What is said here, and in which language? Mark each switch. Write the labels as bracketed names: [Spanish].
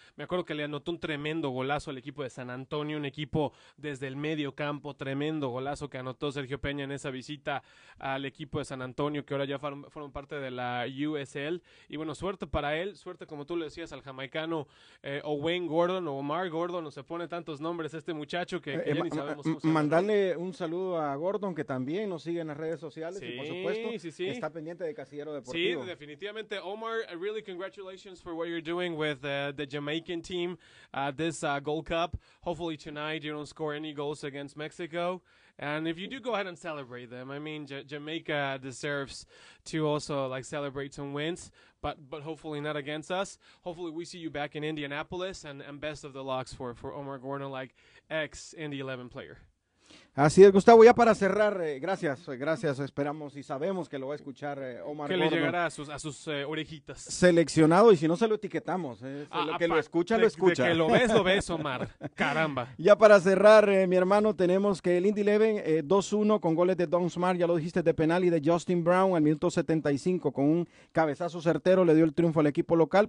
[Spanish] Me acuerdo que le anotó un tremendo golazo al equipo de San Antonio, un equipo desde el medio campo, tremendo golazo que anotó Sergio Peña en esa visita al equipo de San Antonio, que ahora ya fueron parte de la USL. Y bueno, suerte para él, suerte, como tú lo decías, al jamaicano Owen Gordon o Omar Gordon, o se pone tantos nombres este muchacho que ya ni sabemos cómo se llama. Mandarle un saludo a Gordon, que también nos sigue en las redes sociales, sí, y por supuesto sí. Está pendiente de Casillero Deportivo. Sí, definitivamente. [English] Omar, really congratulations for what you're doing with the Jamaican team at this Gold Cup. Hopefully tonight you don't score any goals against Mexico. And if you do, go ahead and celebrate them. I mean, Jamaica deserves to also like celebrate some wins, but hopefully not against us. Hopefully we see you back in Indianapolis, and best of the luck for Omar Gordon, like ex Indy 11 player. [Spanish] Así es, Gustavo, ya para cerrar, gracias, esperamos y sabemos que lo va a escuchar Omar Gordon. Que le llegará a sus orejitas. Seleccionado, y si no se lo etiquetamos, lo escucha. De que lo ves, Omar, caramba. Ya para cerrar, mi hermano, tenemos que el Indy 11, 2-1 con goles de Don Smart, ya lo dijiste, de penal, y de Justin Brown al minuto 75, con un cabezazo certero, le dio el triunfo al equipo local.